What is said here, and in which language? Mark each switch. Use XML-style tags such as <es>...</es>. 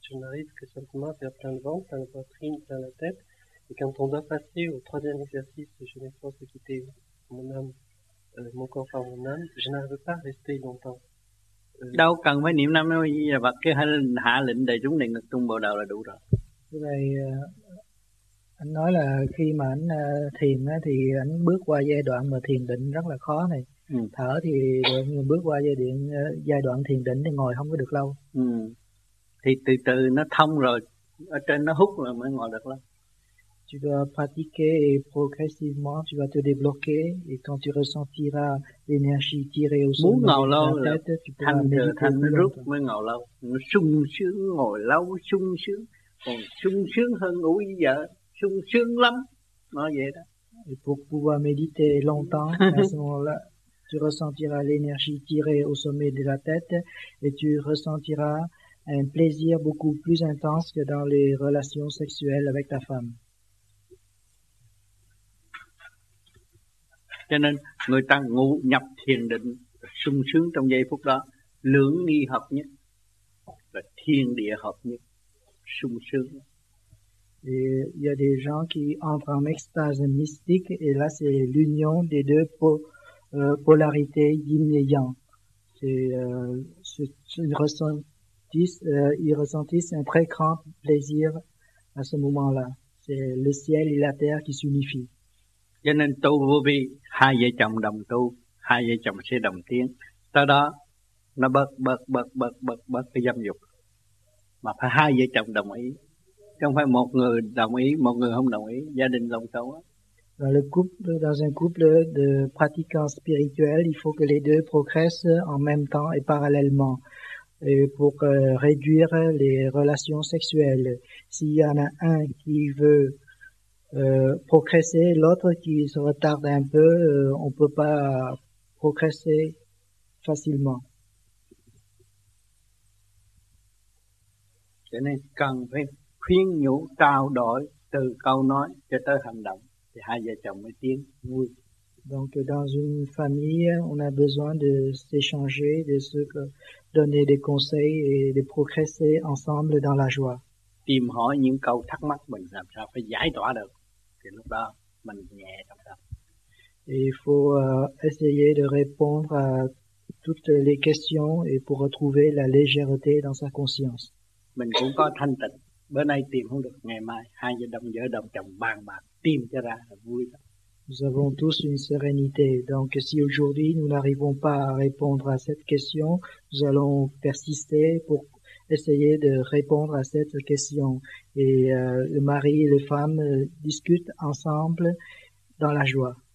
<fr>Je n'arrive que simplement à faire plein le ventre, plein la poitrine, plein la tête. Et quand on doit passer au troisième exercice, je m'efforce de quitter mon âme, mon corps par mon âme, je n'arrive pas à rester longtemps.</fr> <vi>Đâu cần phải niệm năm mươi giờ bật cái hạ lệnh đầy chúng này ngực tung bồ đào là đủ rồi. Cái này anh nói là khi mà anh thiền thì anh bước qua giai đoạn mà thiền định rất là khó này. Thở thì bước qua giai đoạn thiền định thì ngồi không có được lâu. Thì từ từ nó thông rồi, ở trên nó hút rồi mới ngồi được lâu.</vi> <fr>Tu dois pratiquer et progressivement tu vas te débloquer et quand tu ressentiras l'énergie tirée au sommet de la tête, tu pourras méditer plus longtemps.</fr> <vi>Mới ngồi lâu, sung sướng ngồi lâu, sung sướng, còn sung sướng hơn ngủ với vợ, sung sướng lắm, nói vậy đó.</vi> <fr>Et pour pouvoir méditer longtemps, à ce moment-là, tu ressentiras l'énergie tirée au sommet de la tête et tu ressentiras un plaisir beaucoup plus intense que dans les relations sexuelles avec ta femme.</fr> <vi>Cho nên người ta ngủ nhập thiền định sung sướng trong giây phút đó, lưỡng nghi hợp nhất và thiên địa hợp nhất sung sướng.</vi> <fr>Et il y a des gens qui entrent en extase mystique et là c'est l'union des deux polarités yin et yang. Ils ressentissent un très grand plaisir à ce moment-là. C'est le ciel et la terre qui s'unifient.</fr> <vi>Cho nên tu vô vi, hai vợ chồng đồng tu, hai vợ chồng sẽ đồng tiếng. Sau đó nó bớt cái dâm dục. Mà phải hai vợ chồng đồng ý, chứ không phải một người đồng ý, một người không đồng ý, gia đình lộn xộn.</vi> <fr>Dans le couple, dans un couple de pratiquants spirituels, il faut que les deux progressent en même temps et parallèlement et pour réduire les relations sexuelles. S'il y en a un qui veut progresser, l'autre qui se retarde un peu, on peut pas progresser facilement.</fr> <vi>Cho nên cần phải khuyên nhủ trao đổi từ câu nói cho tới hành động. Thì hai vợ chồng mới tiến vui.</vi> <fr>Donc dans une famille, on a besoin de s'échanger, de se donner des conseils et de progresser ensemble dans la joie.</fr> <vi>Tìm hỏi những câu thắc mắc mình làm sao phải giải tỏa được. Thì lúc đó mình nhẹ trong tâm.</vi> <fr>Et il faut essayer de répondre à toutes les questions et pour retrouver la légèreté dans sa conscience.</fr> <vi>Mình cũng có thanh tịnh. Bữa nay tìm không được, ngày mai hai vợ đồng chồng bàn bạc tìm cho ra là vui lắm.</vi> <fr>Nous avons tous une sérénité. Donc si aujourd'hui nous n'arrivons pas à répondre à cette question, nous allons persister pour essayer de répondre à cette question. Et le mari et les femmes discutent ensemble dans la joie.</fr>